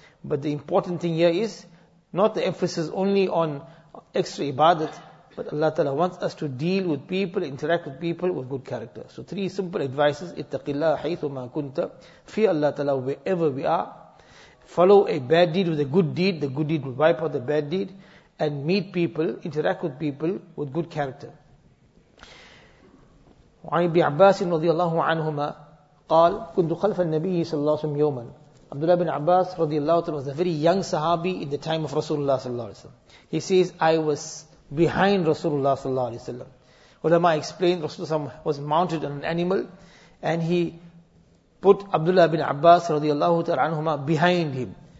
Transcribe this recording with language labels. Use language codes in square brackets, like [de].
[en] But the important thing here is not the emphasis only on extra ibadat, but Allah Ta'ala wants us to deal with people, interact with people with good character. So three simple advices. [ar] Ittaqillah haythuma kunta. [en] Fear Allah Ta'ala wherever we are. Follow a bad deed with a good deed. The good deed will wipe out the bad deed. And meet people, interact with people with good character. [ar] وعن ابن عباس رضي الله عنهما قال كنت خلف النبي صلى الله عليه وسلم يوما. [en] Abdullah bin Abbas رضي الله عنه was a very young Sahabi in the time of Rasulullah صلى الله عليه وسلم. He says, I was behind Rasulullah صلى الله عليه وسلم. Ulama explained, Rasulullah صلى الله عليه وسلم was mounted on an animal and he put Abdullah bin Abbas رضي الله عنهما behind him.